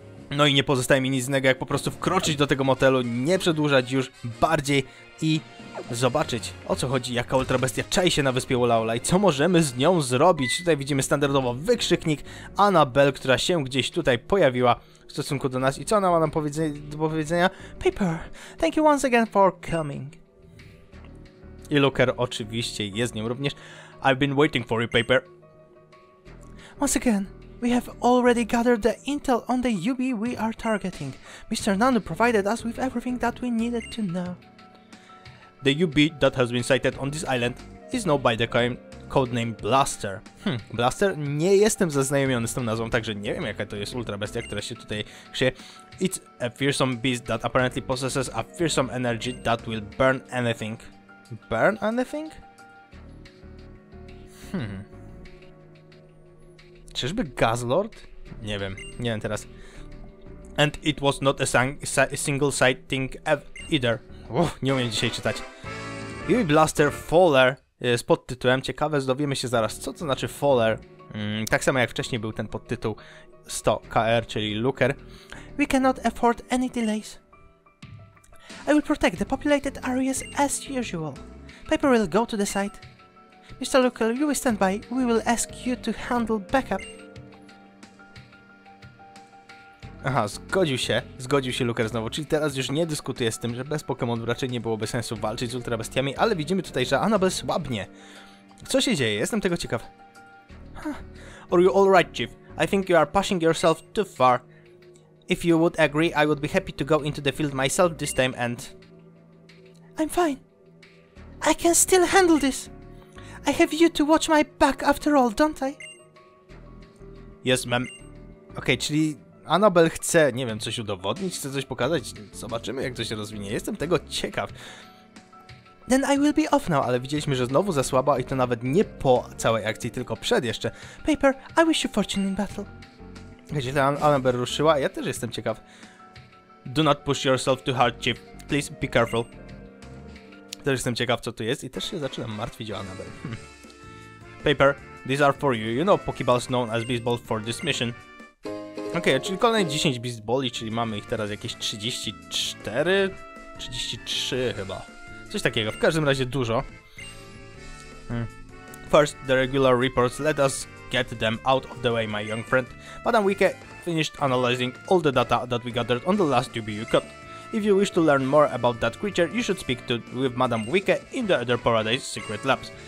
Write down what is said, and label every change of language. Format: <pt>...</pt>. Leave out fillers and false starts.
<pl>No i nie pozostaje mi nic innego, jak po prostu wkroczyć do tego motelu, nie przedłużać już bardziej i zobaczyć, o co chodzi, jaka Ultra Bestia czai się na wyspie Ula Ula i co możemy z nią zrobić. Tutaj widzimy standardowo wykrzyknik Annabelle, która się gdzieś tutaj pojawiła w stosunku do nas. I co ona ma nam do powiedzenia?</pl> <en>Paper, thank you once again for coming.</en> <pl>I Luker oczywiście jest z nią również.</pl> <en>I've been waiting for you, Paper. Once again. We have already gathered the intel on the UB we are targeting. Mr. Nanu provided us with everything that we needed to know. The UB that has been sighted on this island is known by the codename Blaster. Blaster?</en> <pl>Nie jestem zaznajomiony z tą nazwą, także nie wiem, jaka to jest ultra bestia, która się tutaj krzyje.</pl> <en>It's a fearsome beast that apparently possesses a fearsome energy that will burn anything. Burn anything?</en> <pl>Czyżby Gazlord? Nie wiem teraz.</pl> <en>And it was not a single sighting either.</en> <pl>Nie umiem dzisiaj czytać. UB Blaster Faller jest pod tytułem. Ciekawe, dowiemy się zaraz, co to znaczy Faller. Tak samo jak wcześniej był ten podtytuł 100KR, czyli Luker.</pl> <en>We cannot afford any delays. I will protect the populated areas as usual. Paper will go to the site. Mr. Luker, you will stand by. We will ask you to handle backup.</en> <pl>Aha, zgodził się Luker znowu, czyli teraz już nie dyskutuję z tym, że bez Pokémon raczej nie byłoby sensu walczyć z ultrabestiami, ale widzimy tutaj, że Annabelle słabnie. Co się dzieje? Jestem tego ciekaw.</pl> <en>Are you alright, Chief? I think you are pushing yourself too far. If you would agree, I would be happy to go into the field myself this time and... I'm fine. I can still handle this. I have you to watch my back after all, don't I? Yes, ma'am.</en> <pl>Okej, czyli Annabelle chce, nie wiem, coś udowodnić, chce coś pokazać. Zobaczymy, jak to się rozwinie. Jestem tego ciekaw.</pl> <en>Then I will be off now,</en> <pl>ale widzieliśmy, że znowu zasłabła i to nawet nie po całej akcji, tylko przed jeszcze.</pl> <en>Paper, I wish you fortune in battle.</en> <pl>Gdzie ta Annabelle ruszyła? Ja też jestem ciekaw.</pl> <en>Do not push yourself too hard, Chief. Please be careful.</en> <pl>Też jestem ciekaw, co tu jest i też się zaczynam martwić o Annabelle.</pl> <en>Paper, these are for you. You know Pokeballs known as Beast Ball for this mission.</en> <pl>Okej, czyli kolejne 10 Beast Balli, czyli mamy ich teraz jakieś 34? 33 chyba. Coś takiego, w każdym razie dużo.</pl> <en>First, the regular reports let us get them out of the way, my young friend. Madam Wicke finished analyzing all the data that we gathered on the last UBU cut. If you wish to learn more about that creature, you should speak to with Madam Wicke in the Other Paradise Secret Labs.</en>